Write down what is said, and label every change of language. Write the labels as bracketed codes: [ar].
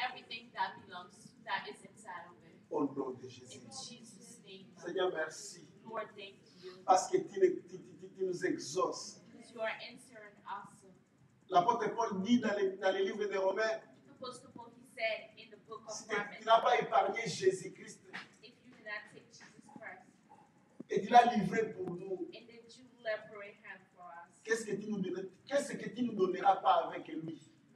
[en] Perfect, everything that belongs, that is inside of it. [fr] Au nom de [en] Jésus. In Jesus' name. [fr] Seigneur, merci. [en] Lord, thank you. [fr] Parce que tu nous exauces. [en] Because you are answering us. [fr] L'apôtre Paul dit dans les livres des Romains. [en] The apostle Paul, he said in the book of Romans. [fr] Si tu n'as pas épargné Jésus Christ. [en] If you did not take Jesus Christ. [fr] Et il l'a livré pour nous. [en] And then you liberate him for us. [fr] Qu'est-ce que tu nous donneras pas avec lui?